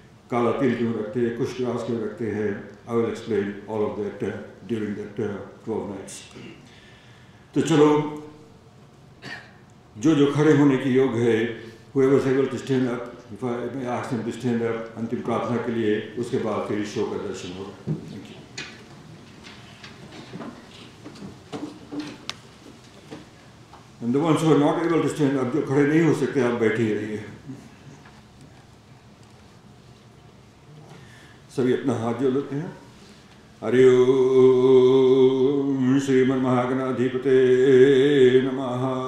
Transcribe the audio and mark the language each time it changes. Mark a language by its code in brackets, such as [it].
[hi] काला तिल क्यों रखते हैं, कुश प्रयास क्यों रखते हैं, [en] I will explain all of that during that 12 nights. [hi] तो चलो, जो जो खड़े होने की योग है, [en] whoever is able to stand up, [hi] if I may ask them to stand up, अंतिम प्रार्थना के लिए, उसके बाद फिर शो का दर्शन होगा। [en] And the ones who are not able to stand up, [hi] जो खड़े नहीं हो सकते, आप बैठे ही रहिए। सभी अपना हाथ जोड़ लेते हैं। हरि ओम श्री महागणाधिपते नमः।